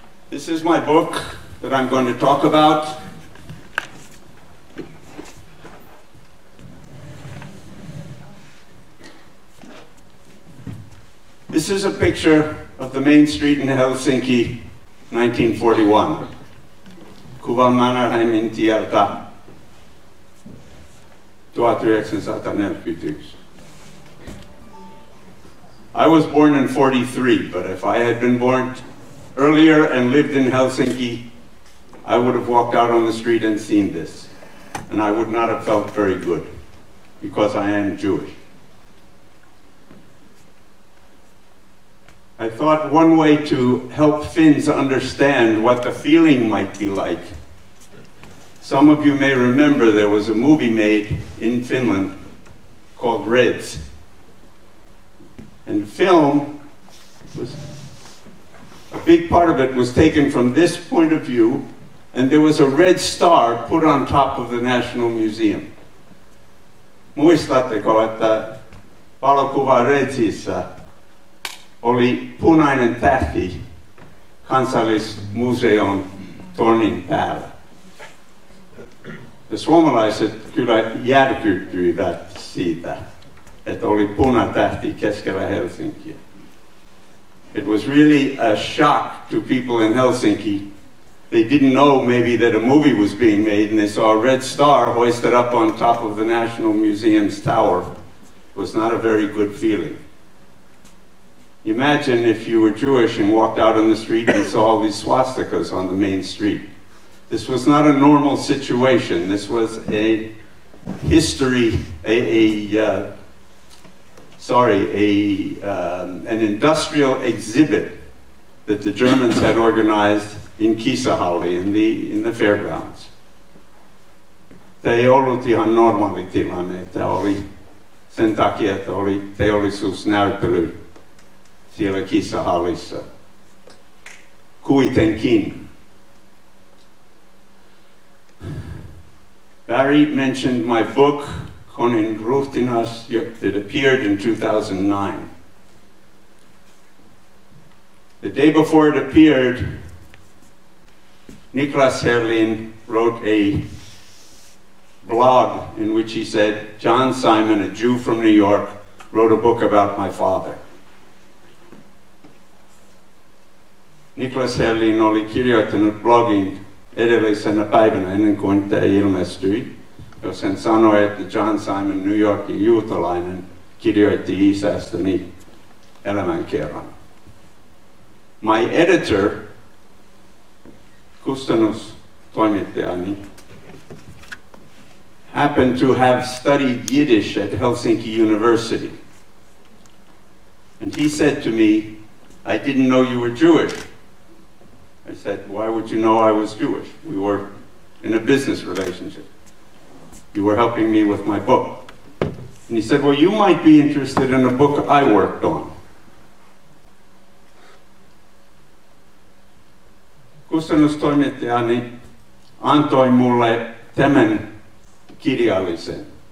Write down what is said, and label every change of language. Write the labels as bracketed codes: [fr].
[en] This is my book that I'm going to talk about. This is a picture of the main street in Helsinki, 1941. [fi] Kuva Mannerheimin tieltä 1941. [en] I was born in 43, but if I had been born earlier and lived in Helsinki, I would have walked out on the street and seen this. And I would not have felt very good, because I am Jewish. I thought one way to help Finns understand what the feeling might be like. Some of you may remember there was a movie made in Finland called Reds. And the film was, a big part of it was taken from this point of view, and there was a red star put on top of the National Museum. [fi] Muistatteko, että valokuva Redsissä oli punainen tähti kansallismuseon tornin päällä. Ja suomalaiset kyllä järkyttyivät siitä, että oli punatähti keskellä Helsinkiä. [en] It was really a shock to people in Helsinki. They didn't know maybe that a movie was being made, and they saw a red star hoisted up on top of the National Museum's tower. It was not a very good feeling. Imagine if you were Jewish and walked out on the street and saw all these swastikas on the main street. This was not a normal situation. This was a history, an industrial exhibit that the Germans had organized in Kisahalli, in the fairgrounds. [fi] Tämä ei ollut ihan normaali tilanne. Tämä oli sen takia, että oli teollisuusnäyttely. Siellä kissahallissa. Kuitenkin. [en] Barry mentioned my book, Konin Ruhtinas, that appeared in 2009. The day before it appeared, Niklas Herlin wrote a blog in which he said, John Simon, a Jew from New York, wrote a book about my father. [fi] Niklas Herlin oli kirjoittanut blogin edellisenä päivänä ennen kuin tämä ilmestyi, jos hän sanoi, että John Simon, New Yorkin juutalainen, kirjoitti isästäni elämänkerran. [en] My editor, [fi] kustannustoimittajani, [en] happened to have studied Yiddish at Helsinki University. And he said to me, I didn't know you were Jewish. I said, why would you know I was Jewish? We were in a business relationship. You were helping me with my book. And he said, well, you might be interested in a book I worked on. [fi] Kustannustoimittajani antoi mulle tämän kirjallisen.